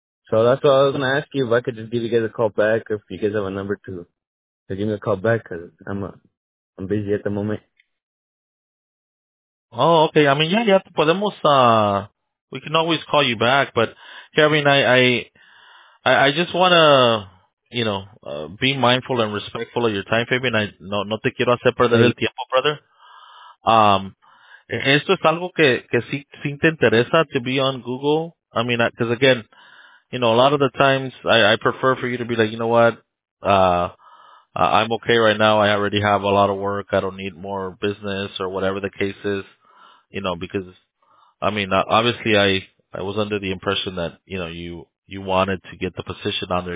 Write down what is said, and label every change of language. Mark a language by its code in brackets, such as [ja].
[en] So that's what I was going to ask you, if I could just give you guys a call back, if you guys have a number to give me a call back, because I'm busy at the moment. Oh, okay. I mean, yeah, [es] podemos, [en] we can always call you back, but Kevin, I just want to, you know, be mindful and respectful of your time, Fabian. [es] No te quiero hacer perder el tiempo, brother. Esto es algo que sí te interesa, [en] to be on Google. I mean, because again, you know, a lot of the times I prefer for you to be like, you know what, I'm okay right now. I already have a lot of work. I don't need more business or whatever the case is, you know, because, I mean, obviously I was under the impression that, you know, you wanted to get the position on there.